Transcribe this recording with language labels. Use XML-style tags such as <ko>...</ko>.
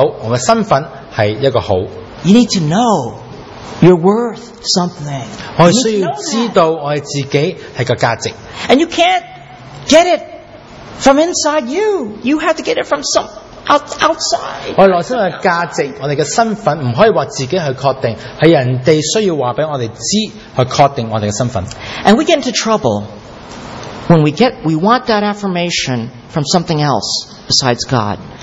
<zh>就像我们自己一样,我们不可以说自己跟自己说,我是一个好的人,我是一个好的人,我们需要人家跟我们说,你是一个好的人,才确认到我们的身份是一个好。</zh> <en>You need to know your worth something.</en> <zh>我们需要知道我们自己是个价值。</zh> <en>And you can't get it from inside you. You have to get it from some outside.</en> <zh>我们内心的价值,我们的身份,不可以说自己去确定, 是人家需要告诉我们知,去确定我们的身份。</zh> <en>And we get into trouble when we want that affirmation from something else besides God.</en>